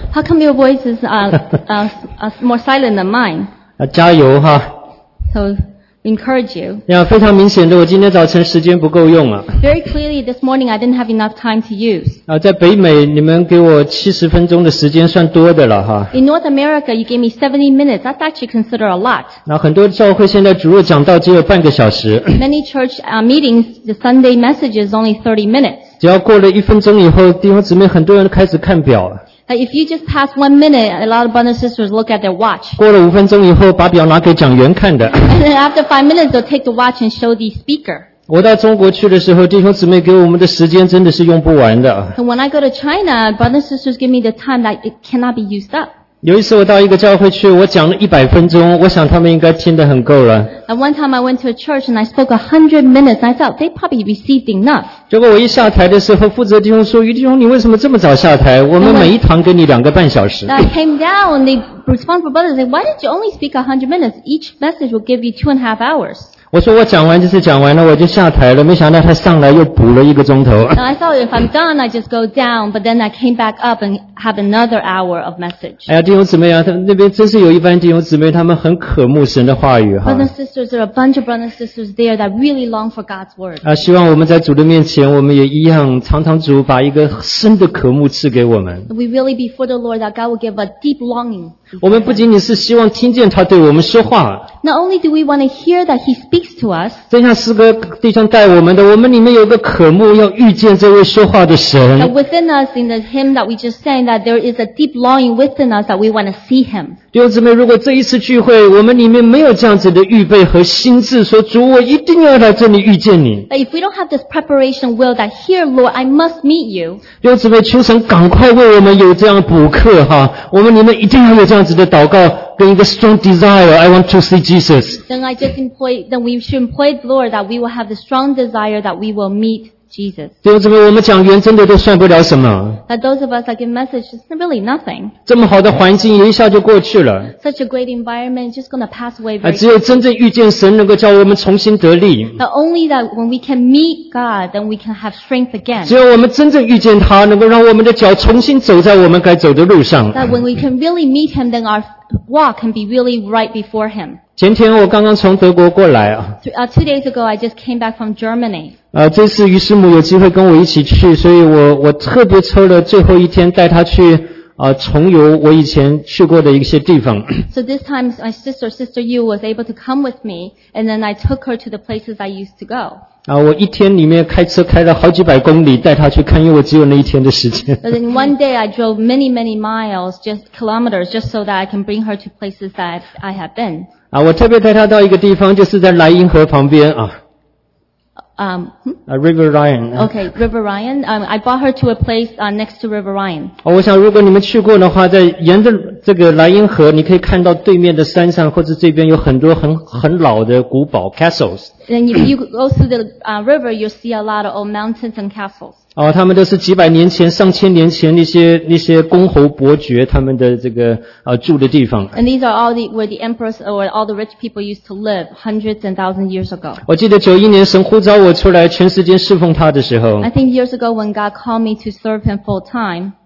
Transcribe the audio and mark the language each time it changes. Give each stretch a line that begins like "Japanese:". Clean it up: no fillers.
English: ？How come your voice is more silent than mine？
Chinese: 加油哈。
English: So encourage you.
Chinese: 非常明显的，我今天早晨时间不够用啊。
English: Very clearly, this morning I didn't have enough time to use.
Chinese: 在北美，你们给我70分钟的时间算多的了哈。
English: In North America, you gave me 70 minutes. That's actually considered a lot.
Chinese: 很多教会现在主日讲道只有半个小时。
English: Many church meetings, the Sunday message is only 30 minutes.
Chinese: 只要过了一分钟以后，弟兄姊妹很多人开始看表了。
English: If you just pass one minute, a lot of brothers and sisters look at their watch.
Chinese: 过了五分钟以后，把表拿给讲员看的。
English: And then after 5 minutes, they'll take the watch and show the speaker.
Chinese: 我到中国去的时候，弟兄姊妹给我们的时间真的是用不完的。
English: And when I go to China, brothers and sisters give me the time that it cannot be used up.
Chinese: 有一次我到一个教会去，我讲了100分钟，我想他们应该听得很够了。
English: One time I went to a church and I spoke 100 minutes. I thought they probably received enough.
Chinese: 结果我一下台的时候，负责弟兄说：“于弟兄，你为什么这么早下台？我们每一堂给你两个半小时。”
English: I came down and the responsible brother said, "Why did you only speak 100 minutes? Each message will give you 2.5 hours."
Chinese: 我说我讲完就是讲完了，我就下台了。没想到他上来又补了一个钟头。
English: I thought if I'm done, I just go down. But then I came back up and have another hour of message.
Chinese: 哎呀，弟兄姊妹啊，那边真是有一班弟兄姊妹，他们很渴慕神的话语哈。
English: Brothers and sisters, there are a bunch of brothers and sisters there that really long for God's word.
Chinese: 希望我们在主的面前，我们也一样，常常主把一个深的渴慕赐给我们。
English: We really before the Lord that God will give a deep longing.
Chinese: 我们不仅仅是希望听见他对我们说话。
English: Not only do we want to hear that he speaks to us.
Chinese: 正像诗歌弟兄带我们的，我们里面有个渴慕要遇见这位说话的神。
English: That within us, in the hymn that we just sang, that there is a deep longing within us that we want to see him.
Chinese: 弟兄姊妹，如果这一次聚会，我们里面没有这样子的预备和心智，说主，我一定要来这里遇见你。
English: But if we don't have this preparation will that here, Lord, I must meet you.
Chinese: 弟兄姊妹，求神赶快为我们有这样补课哈，我们里面一定要有这样。这样子的祷告跟一个
English: strong desire, I want to see Jesus. Then we should employ the Lord that we will have the strong desire that we will meet Jesus.
Chinese: 弟兄姊妹，我们讲员真的都算不了什么。
English: That those of us that give message is really nothing.
Chinese: 这么好的环境一下就过去了。
English: Such a great environment just going to pass away.
Chinese: 只有真正遇见神能够叫我们重新得力。
English: But only that when we can meet God, then we can have strength again.
Chinese: 只有我们真正遇见他，能够让我们的脚重新走在我们该走的路上。
English: That when we can really meet him, then our walk can be really right before him.
Chinese: 前天我刚刚从德国过来啊。
English: 2 days ago, I just came back from Germany.
Chinese: 这次于师母有机会跟我一起去，所以我特别抽了最后一天带他去重游我以前去过的一些地方。
English: So this time my sister Yu was able to come with me, and then I took her to the places I used to go.
Chinese: 我一天里面开车开了好几百公里带他去看，因为我只有那一天的时间。
English: But in one day I drove many many miles, just kilometers, just so that I can bring her to places that I have been.
Chinese: 我特别带他到一个地方，就是在莱茵河旁边啊。
English: River Ryan. Okay, River Ryan. I brought her to a place next to River Ryan.
Chinese: 我想如果你们去过的话，在沿着这个莱茵河，你可以看到对面的山上或者这边有很多很老的古堡 castles.
English: And if you go through the river, you'll see a lot of old mountains and castles.
Chinese: 他们都是几百年前、上千年前那些公侯伯爵他们的这个住的地方。
English: And these are all where the emperors or all the rich people used to live hundreds and thousands years ago.
Chinese: 我记得91年神呼召当我出来全时间侍奉他的时候
English: I think years ago when God called me to serve him full time